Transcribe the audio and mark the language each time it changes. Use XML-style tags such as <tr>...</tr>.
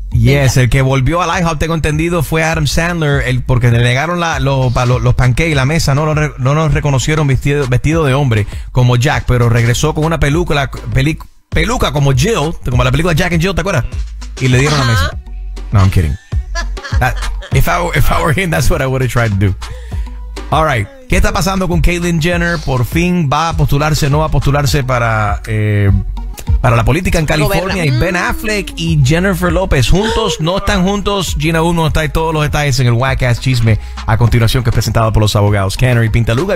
<es>Yes, el que volvió al IHOP, tengo entendido, fue Adam Sandler, porque le negaron los pancakes, la mesa, no nos reconocieron vestido de hombre como Jack, pero regresó con una peluca como Jill, como la película Jack and Jill, ¿te acuerdas? Y le dieron la mesa. No,</es> <en>I'm kidding. If I were him, that's what I would have tried to do.</en> <es>All right, ¿qué está pasando con Caitlyn Jenner? ¿Por fin va a postularse o no va a postularse para la política en California? Y Ben Affleck y Jennifer López juntos, no están juntos. Gina Uno está en todos los detalles en el Whack Ass Chisme a continuación, que es presentado por los abogados Canary Pintaluga.</es>